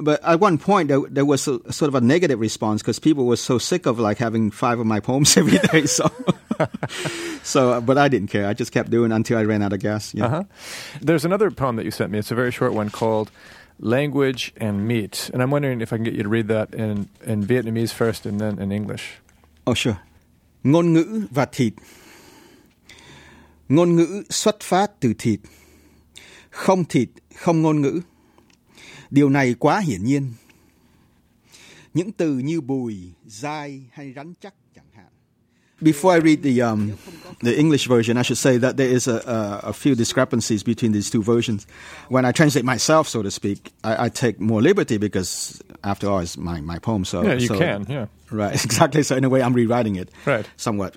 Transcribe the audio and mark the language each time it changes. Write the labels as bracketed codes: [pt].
[en] But at one point, there was a sort of a negative response because people were so sick of like having five of my poems every day. So, but I didn't care. I just kept doing until I ran out of gas. Yeah. Uh-huh. There's another poem that you sent me. It's a very short one called Language and Meat. And I'm wondering if I can get you to read that in Vietnamese first and then in English. Oh, sure. [vi] Ngôn ngữ và thịt. Ngôn ngữ xuất phát từ thịt. không thịt, không ngôn ngữ. Điều này quá hiển nhiên. Những từ như bùi, dai hay rắn chắc chẳng hạn. [en] Before I read the English version, I should say that there is a few discrepancies between these two versions. When I translate myself, so to speak, I take more liberty because, after all, it's my poem. So, yeah, you so, can, yeah. Right, exactly. So in a way, I'm rewriting it right, somewhat.